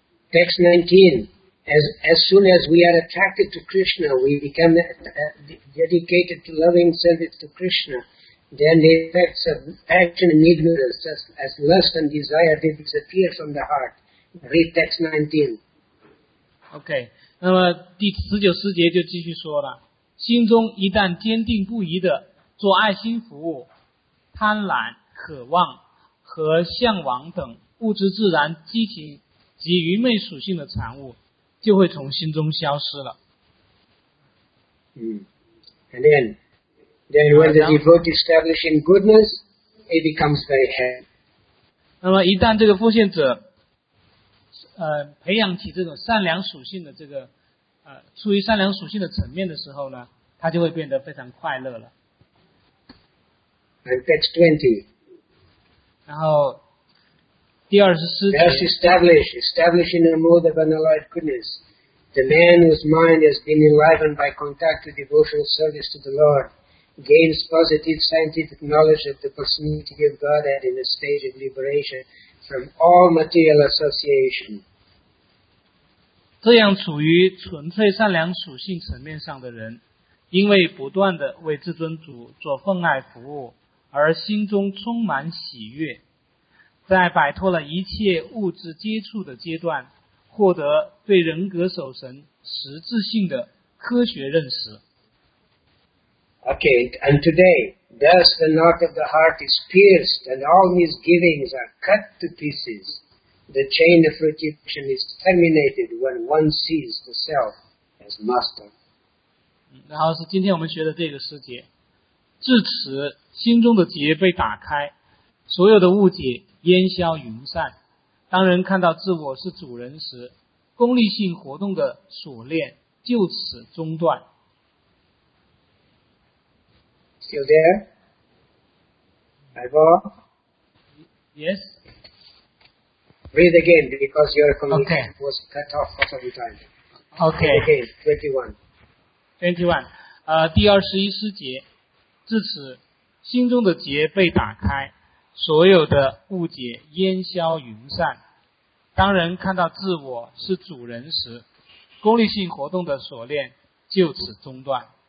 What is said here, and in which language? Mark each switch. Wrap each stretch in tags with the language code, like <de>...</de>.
<en>Text 19, as soon as we are attracted to Krishna, we become dedicated to loving service to Krishna, then the effects of action and ignorance, just as lust and desire, they disappear from the heart. Read text 19. OK.</en> <zh>那么第十九世节就继续说了，心中一旦坚定不移的做爱心服务，贪婪、渴望和向往等物质自然激情及愚昧属性的产物，就会从心中消失了。</zh> <en>And then when the devotee establishes goodness, it becomes very happy.</en> <zh>那么一旦这个奉献者培养起这种善良属性的这个出于善良属性的层面的时候呢，他就会变得非常快乐了。</zh> <en>And text 20.</en> <zh>然后第二十四节。</zh> <en>Thus establishing a mode of unalloyed goodness, the man whose mind has been enlivened by contact with devotional service to the Lord gains positive scientific knowledge of the personality of Godhead in a stage of liberation from all material association.</en> <zh>这样处于纯粹善良属性层面上的人，因为不断地为至尊主做奉爱服务而心中充满喜悦，在摆脱了一切物质接触的阶段，获得对人格守神实质性的科学认识。</zh> <en>Okay, and today, Thus the knot of the heart is pierced and all misgivings are cut to pieces. The chain of rejection is terminated when one sees the self as master.</en> <zh>然后是今天我们学的这个诗节，至此心中的结被打开，所有的误解烟消云散。当人看到自我是主人时，功利性活动的锁链就此中断。</zh> <en>Still there? Ivor? Yes? Read again because your communication was cut off for some time. Okay. Read again, 21. 21.</en> <zh>第21诗节，至此心中的结被打开，所有的误解烟消云散。当人看到自我是主人时，功利性活动的锁链就此中断。</zh>